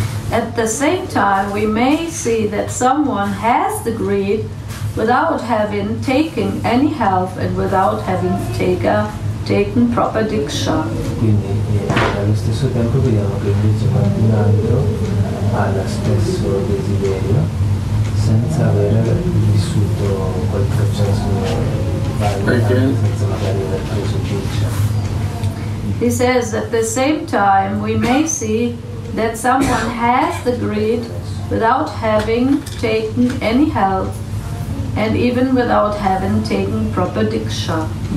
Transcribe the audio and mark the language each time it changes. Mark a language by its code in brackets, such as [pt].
[en] At the same time, we may see that someone has the greed without having taken any help and without having taken proper diksha. [it] Quindi, allo stesso tempo vediamo che invece qualcun altro ha lo stesso desiderio senza aver vissuto quel processo senza magari aver preso diksha. [en] He says at the same time we may see that someone has the greed without having taken any help and even without having taken proper diksha.